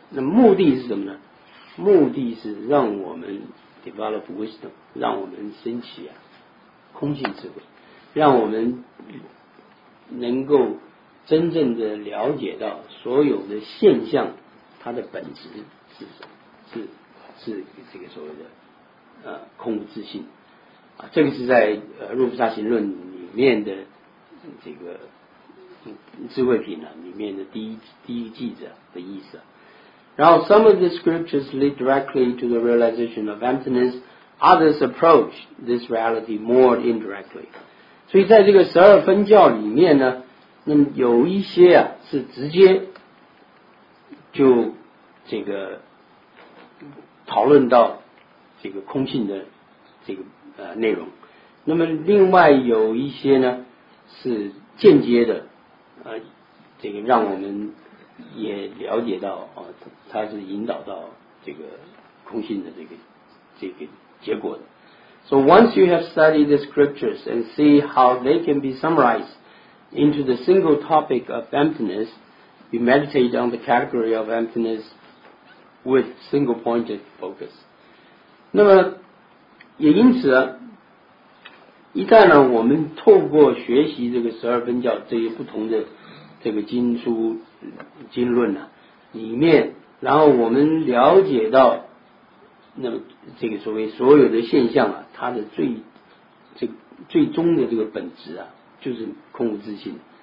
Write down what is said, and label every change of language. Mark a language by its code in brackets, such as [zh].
[zh] 那目的是什么呢？目的是让我们 [en] develop wisdom， [zh] 让我们升起啊空性智慧，让我们能够真正的了解到所有的现象它的本质是什么，是这个所谓的空无自性啊，这个是在入菩萨行论里面的这个智慧品啊里面的第一句子的意思啊。然后 [en] some of the scriptures lead directly to the realization of emptiness, others approach this reality more indirectly. [zh] 所以在这个十二分教里面呢，那么有一些啊是直接就这个讨论到这个空性的这个内容，那么另外有一些呢是间接的这个让我们也了解到它是引导到这个空性的这个结果的。 [en] So once you have studied the scriptures and see how they can be summarized into the single topic of emptiness, you meditate on the category of emptiness with single pointed focus。 [zh] 那么也因此啊，一旦呢我们透过学习这个十二分教这些不同的这个经书经论啊里面，然后我们了解到那么这个所谓所有的现象啊，它的最终的这个本质啊就是空无自性。